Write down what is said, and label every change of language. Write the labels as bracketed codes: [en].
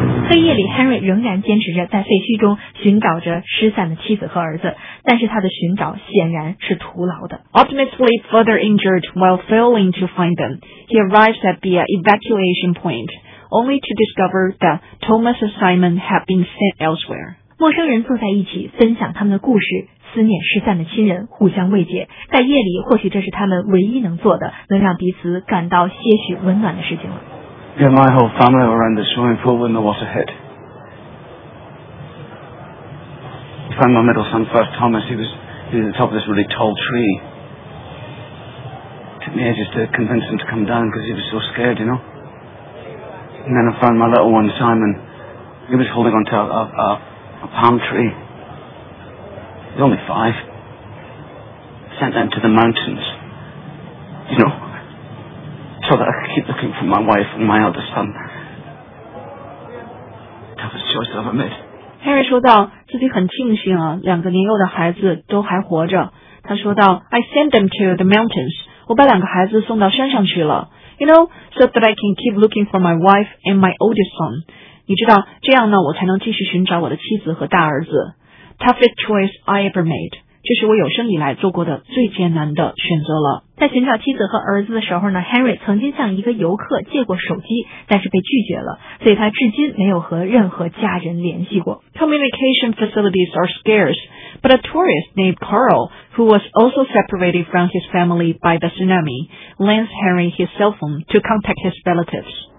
[zh] 黑夜里 ，Henry 仍然坚持着在废墟中寻找着失散的妻子和儿子，但是他的寻找显然是徒劳的。 [en] Ultimately, further injured while failing to find them, he arrives at the evacuation point, only to discover that Thomas and Simon have been sent elsewhere. [zh] 陌生人坐在一起分享他们的故事，思念失散的亲人，互相慰藉，在夜里或许这是他们唯一能做的能让彼此感到些许温暖的事情了。 [en] Yeah, my whole family were in the swimming pool when the water hit. I found my middle son first, Thomas. He was at the top of this really tall tree. It took me ages to convince him to come down because he was so scared, you know. And then I found my little one, Simon. He was holding on to a palm tree. He's only five. Sent them to the mountains, you know, so that I could keep looking for my wife and my eldest son. Toughest choice I've ever made. [zh] Harry 说道自己很庆幸啊，两个年幼的孩子都还活着。他说道 [en] I sent them to the mountains. [zh] 我把两个孩子送到山上去了。 [en] You know, so that I can keep looking for my wife and my oldest son. [zh] 你知道这样呢我才能继续寻找我的妻子和大儿子。 [en] Toughest choice I ever made. [zh] 这是我有生以来做过的最艰难的选择了。在寻找妻子和儿子的时候呢 ,Henry 曾经向一个游客借过手机但是被拒绝了所以他至今没有和任何家人联系过。 [en] Communication facilities are scarce, but a tourist named Carl, who was also separated from his family by the tsunami, lends Henry his cell phone to contact his relatives.